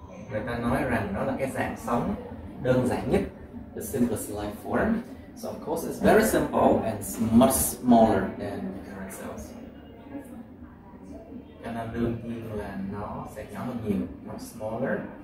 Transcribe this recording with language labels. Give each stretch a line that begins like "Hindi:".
Vietnamese: Người ta nói rằng nó là cái dạng sống đơn giản nhất.
English: The simplest life form. So of course it's very simple and it's much smaller than eukaryotic cells.
Vietnamese: Cho nên đương nhiên là nó sẽ nhỏ hơn nhiều,
English: much smaller.